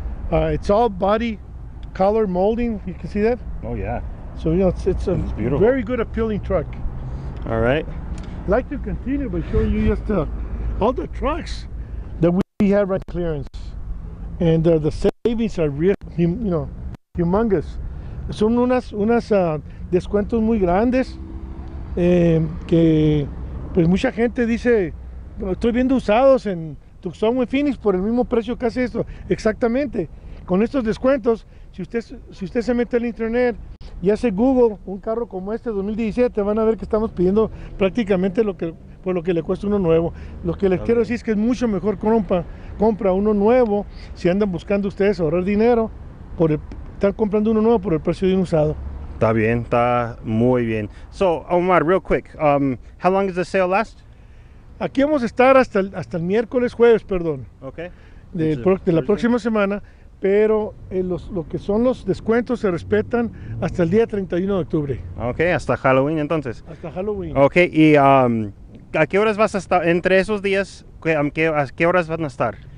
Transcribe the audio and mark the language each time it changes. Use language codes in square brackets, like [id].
[en] It's all body color molding. You can see that? Oh, yeah. So, you know, it's beautiful. Very good appealing truck. All right. I'd like to continue by showing you just all the trucks that we have right clearance, and the savings are real, you know, humongous. [es] Son unas descuentos muy grandes, que pues mucha gente dice, estoy viendo usados en Tucson y Phoenix por el mismo precio que hace esto. Exactamente, con estos descuentos, si usted se mete al internet y hace Google un carro como este 2017, van a ver que estamos pidiendo prácticamente lo que le cuesta uno nuevo. Lo que les quiero decir es que es mucho mejor compra uno nuevo si andan buscando ustedes ahorrar dinero por estar comprando uno nuevo por el precio de un usado. Está bien, está muy bien. [en] So, Omar, real quick, how long does the sale last? [es] Aquí vamos a estar hasta el miércoles, jueves, perdón. Okay. De la próxima semana, pero los descuentos se respetan hasta el día 31 de octubre. Okay, hasta Halloween entonces. Hasta Halloween. Okay, y ¿a qué horas vas a estar? Entre esos días, ¿a qué horas van a estar?